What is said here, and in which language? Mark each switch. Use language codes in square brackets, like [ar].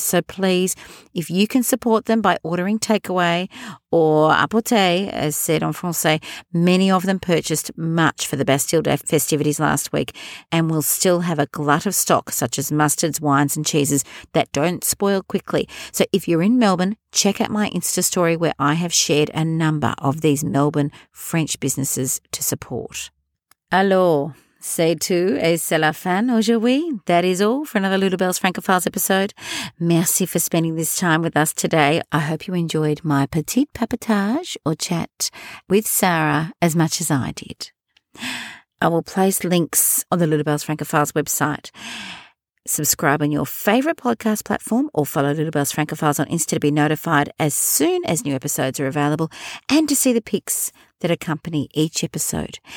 [en] So please, if you can support them by ordering takeaway or [fr] apporter, [en] as said [fr] en français, [en] many of them purchased much for the Bastille Day festivities last week and will still have a glut of stock, such as mustards, wines and cheeses that don't spoil quickly. So if you're in Melbourne, check out my Insta story where I have shared a number of these Melbourne French businesses to support. [fr] Alors, c'est tout et c'est la fin aujourd'hui. [en] That is all for another Little Bells Francophiles episode. Merci for spending this time with us today. I hope you enjoyed my [fr] petit papotage [en] or chat with Sarah as much as I did. I will place links on the Little Bells Francophiles website. Subscribe on your favourite podcast platform or follow Little Bells Francophiles on Insta to be notified as soon as new episodes are available and to see the pics that accompany each episode.